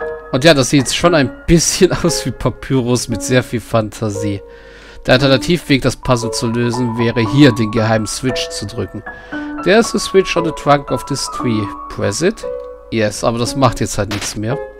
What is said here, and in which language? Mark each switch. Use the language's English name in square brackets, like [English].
[German] Und ja, das sieht jetzt schon ein bisschen aus wie Papyrus mit sehr viel Fantasie. Der Alternativweg, das Puzzle zu lösen, wäre hier den geheimen Switch zu drücken. [English] There's a switch on the trunk of this tree. Press it. [German] Yes, aber das macht jetzt halt nichts mehr.